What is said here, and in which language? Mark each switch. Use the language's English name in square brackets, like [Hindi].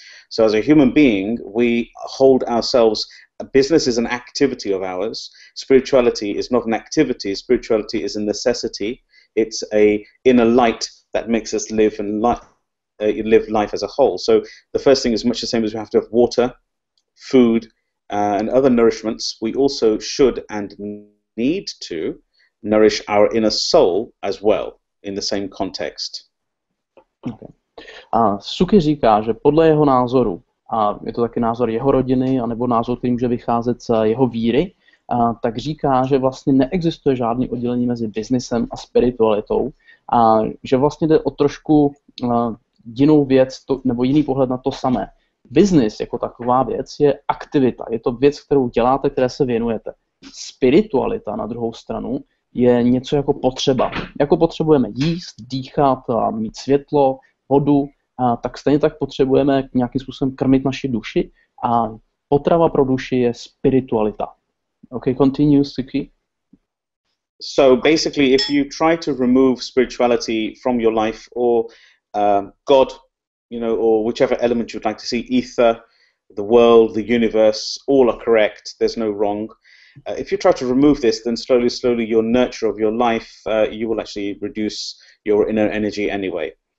[English] So as a human being, we hold ourselves, a business is an activity of ours, spirituality is not an activity, spirituality is a necessity, it's a inner light that makes us live and live life as a whole. So the first thing is much the same as we have to have water, food, and other nourishments. We also should and need to nourish our inner soul as well in the same context. Okay. [Czech] Suky říká, že podle jeho názoru, a je to taky názor jeho rodiny, anebo názor, který může vycházet z jeho víry, tak říká, že vlastně neexistuje žádný oddělení mezi biznesem a spiritualitou, a že vlastně jde o trošku jinou věc to, nebo jiný pohled na to samé. Business jako taková věc je aktivita, je to věc, kterou děláte, které se věnujete. Spiritualita na druhou stranu je něco jako potřeba. Jako potřebujeme jíst, dýchat, a mít světlo, vodu, a tak stejně tak potřebujeme nějakým způsobem krmit naši duši a potrava pro duši je spiritualita. [English] Okay, continue, Suki. So basically, if you try to remove spirituality from your life or God, you know, or whichever element you'd like to see, ether, the world, the universe, all are correct, there's no wrong. If you try to remove this, then slowly, slowly, your nurture of your life, you will actually reduce your inner energy anyway.